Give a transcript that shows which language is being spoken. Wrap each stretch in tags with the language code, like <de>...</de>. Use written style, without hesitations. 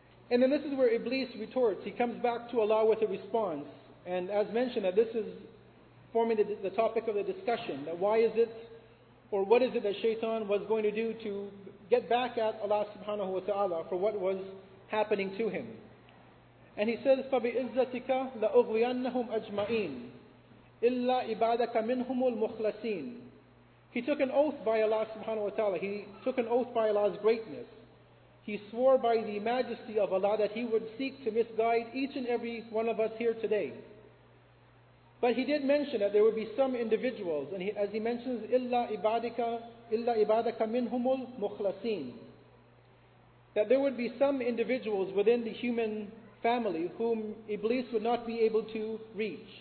<en>And then this is where Iblis retorts. He comes back to Allah with a response. And as mentioned, that this is forming the topic of the discussion. That why is it, or what is it that Shaitan was going to do to get back at Allah subhanahu wa ta'ala for what was happening to him.</en> <ar>And he says, فَبِإِزَّتِكَ لَأُغْوِيَنَّهُمْ أَجْمَعِينَ إِلَّا عِبَادَكَ مِنْهُمُ الْمُخْلَسِينَ.</ar> <en>He took an oath by Allah subhanahu wa ta'ala. He took an oath by Allah's greatness. He swore by the majesty of Allah that he would seek to misguide each and every one of us here today. But he did mention that there would be some individuals, and as he mentions,</en> <ar>إِلَّا عِبَادَكَ مِنْهُمُ الْمُخْلَسِينَ,</ar> <en>that there would be some individuals within the human family whom Iblis would not be able to reach.</en>